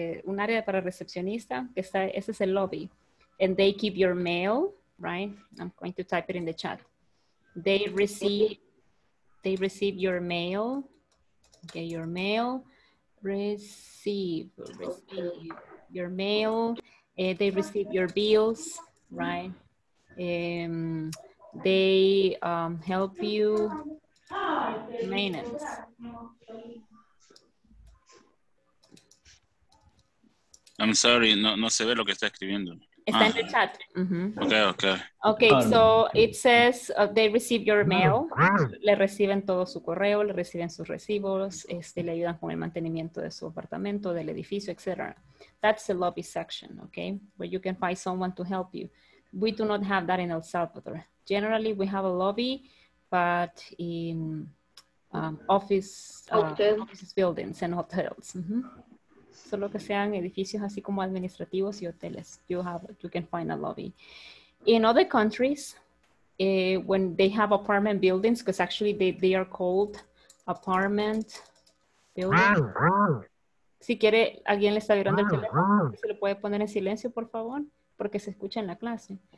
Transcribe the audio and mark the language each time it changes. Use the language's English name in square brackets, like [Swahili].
[Spanish] Un área para recepcionista, que está, ese es el lobby. [English] And they keep your mail, right? I'm going to type it in the chat. They receive your mail. Okay, your mail. Receive your mail. They receive your bills, right? They help you maintenance. I'm sorry, [Spanish] no se ve lo que está escribiendo. Está en el chat. Mm-hmm. Okay, okay. [English] Okay, so it says they receive your mail. [Spanish] Le reciben todo su correo, le reciben sus recibos, le ayudan con el mantenimiento de su apartamento, del edificio, etc. [English] That's the lobby section, okay? Where you can find someone to help you. We do not have that in El Salvador. Generally, we have a lobby, but in office buildings and hotels. Mm-hmm. [Spanish] Solo que sean edificios así como administrativos y hoteles. [English] You can find a lobby. In other countries, when they have apartment buildings, because actually they are called apartment buildings. [Spanish] Si quiere, alguien le está viendo el teléfono, se lo puede poner en silencio, por favor, porque se escucha en la clase.